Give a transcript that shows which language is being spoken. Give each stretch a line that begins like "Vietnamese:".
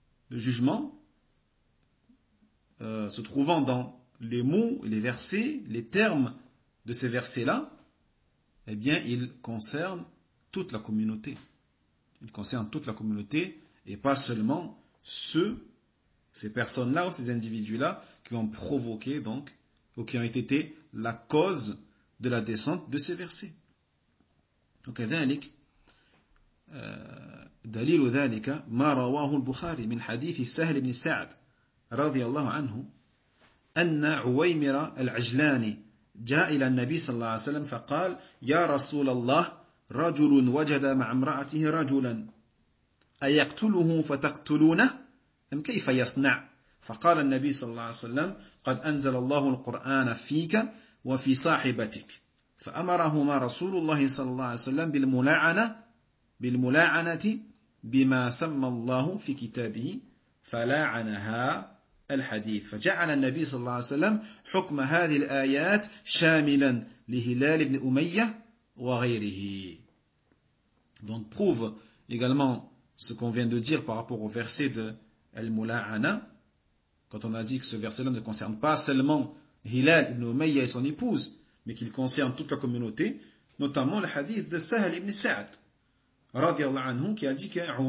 French: Le jugement, se trouvant dans les mots, les versets, les termes de ces versets-là, eh bien, il concerne toute la communauté. Il concerne toute la communauté et pas seulement ces personnes-là ou ces individus-là qui ont provoqué, donc, ou qui ont été la cause de la descente de ces versets.
Arabic: Donc, ذلك, دليل ذلك ما رواه البخاري من حديث سهل بن سعد رضي الله عنه أن عويمر العجلاني جاء إلى النبي صلى الله عليه وسلم فقال يا رسول الله رجل وجد مع امرأته رجلا أيقتله فتقتلونه أم كيف يصنع؟ فقال النبي صلى الله عليه وسلم قد أنزل الله القرآن فيك وفي صاحبتك فأمرهما رسول الله صلى الله عليه وسلم بالملاعنة بما سمى الله في كتابه فلاعنها الحديث فجعل النبي صلى الله عليه وسلم حكم هذه الآيات شاملا لهلال بن أمية وغيره.
French: Donc prouve également ce qu'on vient de dire par rapport au verset de Al-Mula'ana, quand on a dit que ce verset-là ne concerne pas seulement Hilal ibn Umayya et son épouse, mais qu'il concerne toute la communauté, notamment le hadith de Sahal ibn Sa'd, radiallahu anhu, qui a dit que